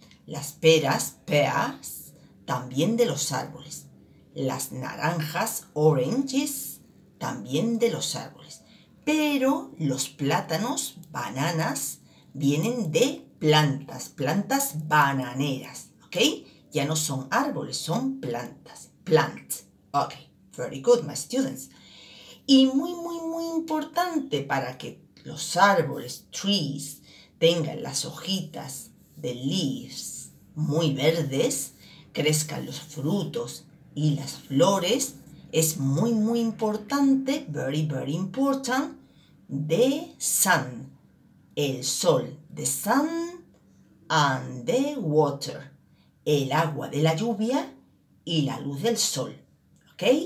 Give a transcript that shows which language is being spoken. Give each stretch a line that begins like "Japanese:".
Spanish: Las peras,
English: pears,
Spanish: también de los árboles. Las naranjas,
English: oranges,
Spanish: también de los árboles. Pero los plátanos,
English: bananas,
Spanish: vienen de plantas, plantas bananeras, ¿ok? Ya no son árboles, son plantas,
English: plants. Ok, very good, my students.
Spanish: Y muy, muy, muy importante para que los árboles, trees, tengan las hojitas de leaves muy verdes, crezcan los frutos y las flores, es muy, muy importante,
English: very, very important, the sun,
Spanish: el sol,
English: the sun and the water,
Spanish: el agua de la lluvia y la luz del sol. ¿Ok?